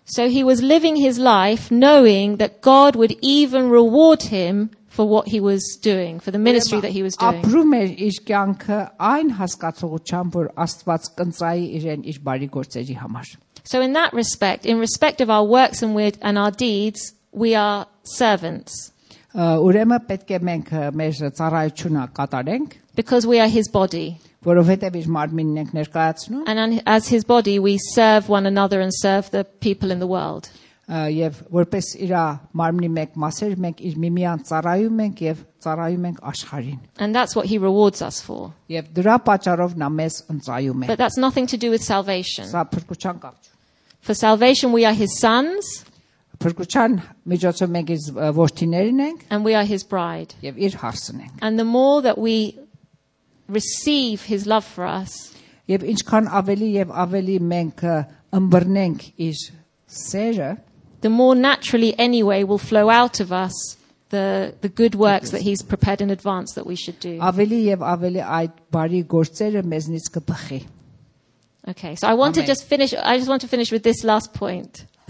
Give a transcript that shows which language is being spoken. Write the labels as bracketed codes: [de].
[en] So he was living his life knowing that God would even reward him for what he was doing, for the ministry that he was doing. [hy] Ապրում էր իր կյանքը այն հասկացողությամբ, որ Աստված կընծայի իրեն իր բարի գործերի համար։ [en] So in that respect, in respect of our works and our deeds, we are servants. [hy] Ուրեմն պետք է մենք մեր ծառայությունը կատարենք, [en] because we are his body. [hy] Որովհետև իր մարմինն ենք ներկայացնում. [en] And as his body we serve one another and serve the people in the world. [hy] Եվ որպես իր մարմնի մեկ մասեր մենք իր միմյան ծառայում ենք եւ ծառայում ենք աշխարհին. [en] And that's what he rewards us for. [hy] Եվ դրա պատճառով նա մեզ ընծայում է. [en] But that's nothing to do with salvation. [hy] Սա փրկության կարճ։ [en] For salvation we are his sons. [hy] Փրկության միջոցով մենք իր որդիներն ենք։ [en] And we are his bride. [hy] Եվ իր հարսն ենք։ [en] And the more that we receive his love for us. [hy] Եվ ինչքան ավելի եւ ավելի մենք ըմբռնենք իր սերը, [en] the more naturally anyway will flow out of us the good works that he's prepared in advance that we should do. [hy] Ավելի եւ ավելի այդ բարի գործերը մեզնից կփխի։ [en] Okay, so I just want to finish with this last point.